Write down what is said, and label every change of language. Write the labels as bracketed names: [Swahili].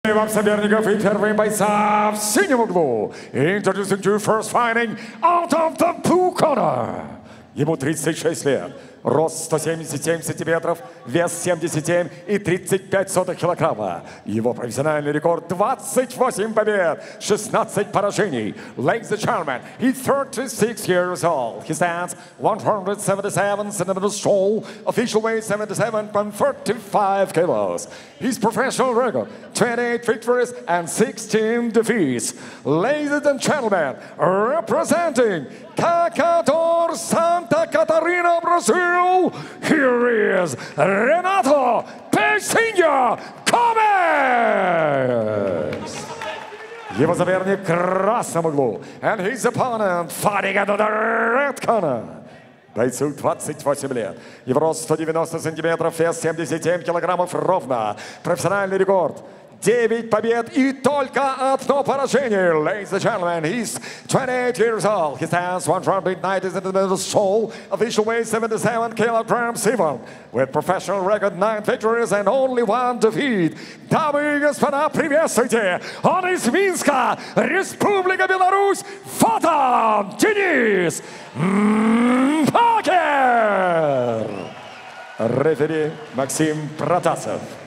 [Russian] вам соперников и первые бойца в синем углу. [English] Introducing to you first fighting out of the blue corner. [Russian] Ему 36 лет. Рост 177 сантиметров, вес 77,35 килограмма. Его профессиональный рекорд 28 побед, 16 поражений. [English] Ladies and gentlemen, he's 36 years old. He stands 177 centimeters tall, official weight 77.35 kilos. His professional record 28 victories and 16 defeats. Ladies and gentlemen, representing Cacador Santa Catarina, Brazil, here is Renato Peixinho Gomes! [Russian] Его соперник в красном углу. [English] And his opponent fighting at the red corner. [Russian] Бойцу 28 лет. Его рост 190 сантиметров, вес 77 килограммов ровно. Профессиональный рекорд. 9 побед и только одно поражение. [English] Ladies and gentlemen, he's 28 years old. He stands 190 centimeters tall. Official weight 77 kilograms even. With professional record 9 victories and only 1 defeat. [Russian] Дамы и господа, приветствуйте! Он из Минска, Республика Беларусь. Вот он, Денис Пакер! Рефери Максим Протасов.